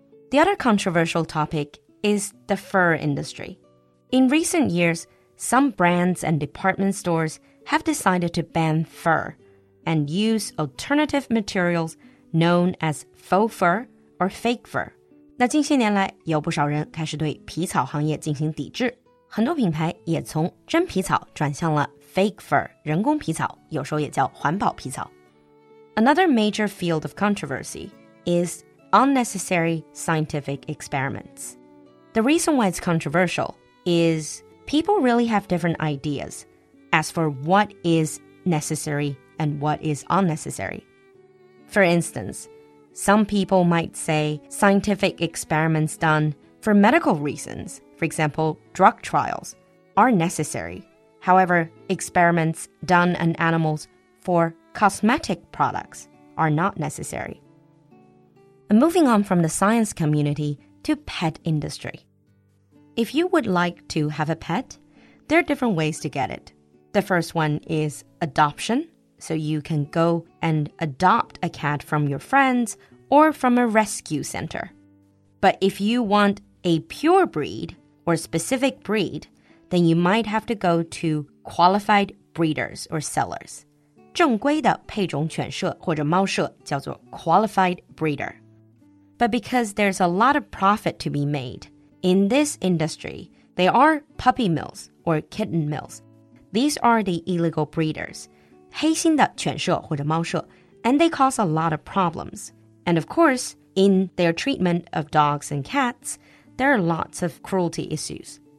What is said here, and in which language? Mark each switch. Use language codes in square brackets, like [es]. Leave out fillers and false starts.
[en] The other controversial topic is the fur industry. In recent years, some brands and department stores have decided to ban fur and use alternative materials known as faux fur or fake fur. [zh] 那近些年来，有不少人开始对皮草行业进行抵制，很多品牌也从真皮草转向了 [en] Fake fur, [zh] 人工皮草,有时候也叫环保皮草。 [en] Another major field of controversy is unnecessary scientific experiments. The reason why it's controversial is people really have different ideas as for what is necessary and what is unnecessary. For instance, some people might say scientific experiments done for medical reasons, for example, drug trials, are necessary. However, experiments done on animals for cosmetic products are not necessary. And moving on from the science community to pet industry. If you would like to have a pet, there are different ways to get it. The first one is adoption, so you can go and adopt a cat from your friends or from a rescue center. But if you want a pure breed or specific breed,then you might have to go to qualified breeders or sellers. [zh] 正规的配种犬舍或者猫舍叫做 [en] qualified breeder. But because there's a lot of profit to be made, In this industry, there are puppy mills or kitten mills. These are the illegal breeders, [zh] 黑心的犬舍或者猫舍, [en] and they cause a lot of problems. And of course, in their treatment of dogs and cats, there are lots of cruelty issues.